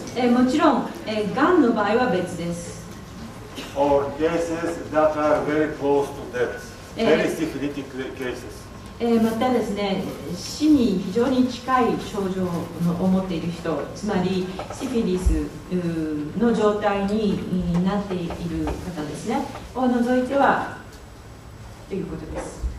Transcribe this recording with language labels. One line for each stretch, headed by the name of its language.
Japanese: もちろん、がんの場合は別です。
English: Or cases that are very close to death, very syphilitic cases.
Japanese: またですね、死に非常に近い症状を持っている人、つまりシフィリスの状態になっている方ですね、を除いてはということです。